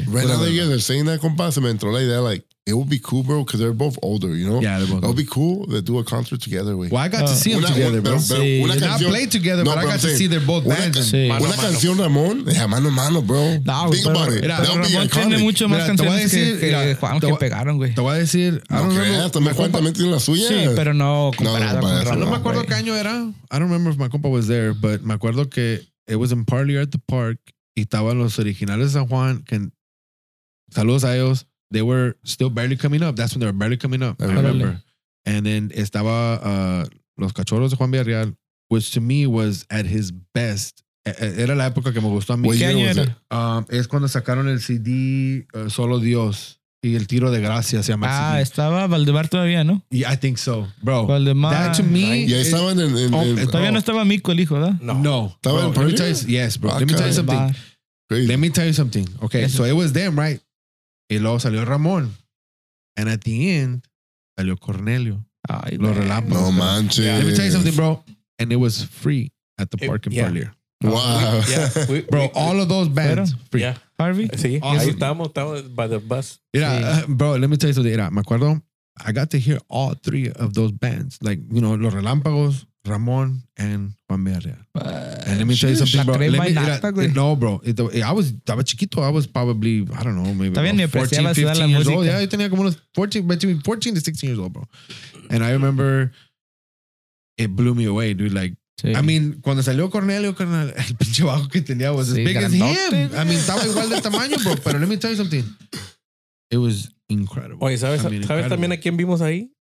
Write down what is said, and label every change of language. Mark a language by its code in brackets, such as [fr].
[en] Right now that you guys are saying that, compa, [es] se me entró la idea, [en] like, it would be cool, bro, because they're both older, you know? Yeah, they're both older. It would be cool to do a concert together, güey. Well, I got to see them together, bro. [es] Sí. [en] They're not played together, but I got to see they're both bands. [es] Una canción, Ramón, deja mano a mano, bro. No, [en] think about it. [es] Ramón tiene mucho más canciones que pegaron, güey. Te voy a decir... ¿Cuánta también tiene la suya? Sí, pero no comparada con Ramón. No me acuerdo qué año era. [en] I don't remember if my compa was there, but [es] me acuerdo que [en] it was in Parley at the Park [es] y estaban los originales de San Juan. Saludos a ellos. [en] They were still barely coming up. That's when they were barely coming up. I remember. And then estaba Los Cachorros de Juan Villarreal, which to me was at his best. [es] Era la época que me gustó a mí. ¿Qué año era? Es cuando sacaron el CD Solo Dios y El Tiro de Gracia se llama. Ah, estaba Valdemar todavía, ¿no? [en] Yeah, I think so, bro. [es] Valdemar. [en] That to me. [es] Ya yeah, estaban en. Todavía no estaba Mico el hijo, ¿verdad? No. Estaba en [en] Paris. Yes, bro. Let me tell you something. Crazy. Let me tell you something. Okay, so it was them, right? [es] Y luego salió Ramón. [en] And at the end, salió Cornelio. [es] Ay, los relámpagos. No manches. Yeah. [en] Let me tell you something, bro. And it was free at the park in Parlier. Wow. Bro, all of those bands, free. Yeah. Harvey? [es] Sí. Awesome. Ahí estamos by the bus. [en] Mira, bro, let me tell you something. [es] Mira, me acuerdo, [en] I got to hear all 3 of those bands. Like, you know, los relámpagos, Ramón, and Juan Villarreal. And let me tell you something, bro. I was chiquito. I was probably, I don't know, maybe 14, 15 years old. [es] Yeah, yo tenía como unos [en] 14 to 16 years old, [es] bro. [en] And I remember it blew me away, dude. [es] Like, sí. I mean, cuando salió Cornelio, carnal, el pinche bajo que tenía [en] was as big as him. I mean, [es] estaba igual de tamaño, [en] bro. Pero let me tell you something. It was incredible. [es] Oye, ¿sabes, ¿sabes también a quién vimos ahí?